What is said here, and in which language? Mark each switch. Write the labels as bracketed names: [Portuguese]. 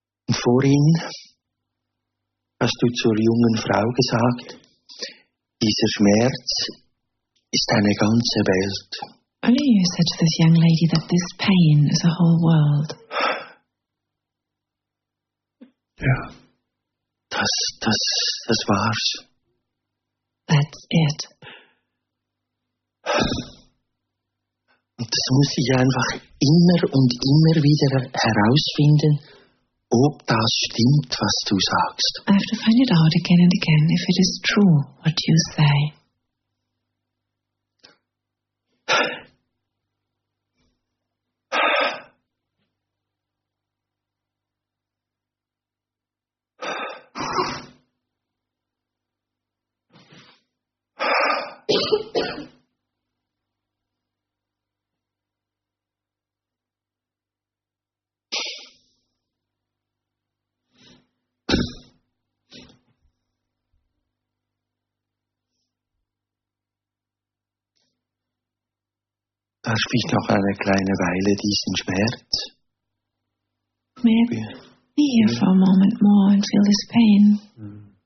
[German] Vorhin hast du zur jungen Frau gesagt, dieser Schmerz ist eine ganze Welt. [English] Earlier you said to this young lady that this pain is a whole world. Yeah. [German] Das war's. [English] That's it. [German] Und das muss ich einfach immer und immer wieder herausfinden, ob das stimmt, was du sagst. [English] I have to find it out again and again if it is true what you say. [German] Darf ich noch eine kleine Weile diesen Schmerz? [English] Maybe. Be here for a moment more and feel this pain.